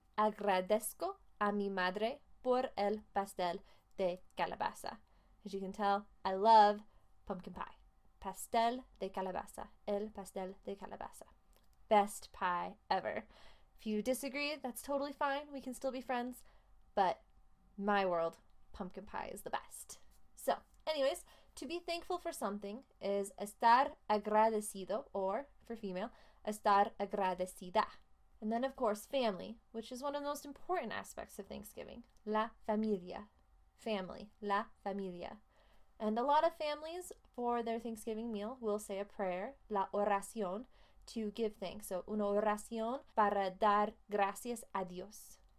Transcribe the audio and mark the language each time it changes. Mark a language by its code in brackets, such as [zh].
[es] Agradezco a mi madre por el pastel de calabaza. [en] As you can tell, I love pumpkin pie. [es] Pastel de calabaza. El pastel de calabaza. [en] Best pie ever. If you disagree, that's totally fine. We can still be friends. But my world, pumpkin pie is the best. So, anyways, to be thankful for something is [es] estar agradecido, [en] or, for female, [es] estar agradecida. [en] And then, of course, family, which is one of the most important aspects of Thanksgiving. [es] La familia. Family. La familia. [en] And a lot of families, for their Thanksgiving meal, will say a prayer, la oración, to give thanks. [es] So, una oración para dar gracias a Dios.